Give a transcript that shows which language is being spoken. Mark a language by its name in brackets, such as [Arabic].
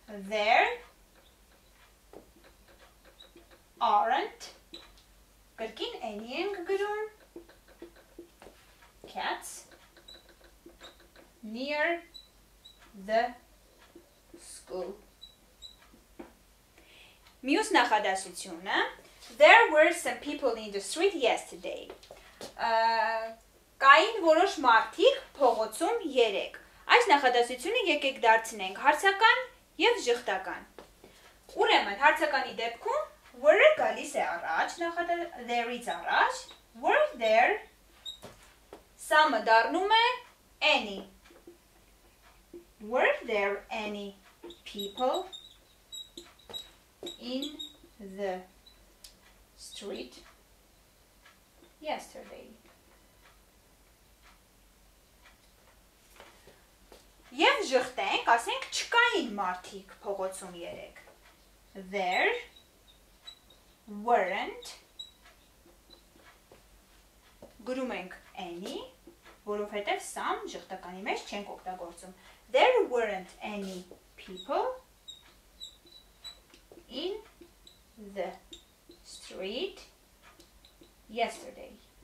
[English] There aren't. [Armenian] Կրկին any ենք գրում. [English] Cats near the school. [Armenian] Մյուս նախադասությունը. [English] There were some people in the street yesterday. [Armenian] Կային որոշ մարդիկ փողոցում երեք. Այս նախադասությունը եկեք դարձնենք հարցական եւ ժխտական։ Ուրեմն հարցականի դեպքում were-ը գալիս է առաջ, նախադասությունը there-ից առաջ, were there, some-ը դառնում է any. [English] Were there any people in the street yesterday? [Armenian] Եվ ժխտենք, ասենք չկային մարդիկ փողոցում երեք. [English] There weren't. [Armenian] Գրում ենք any, որովհետև some ժխտականի մեջ չենք օգտագործում. [English] There weren't any people in the street yesterday.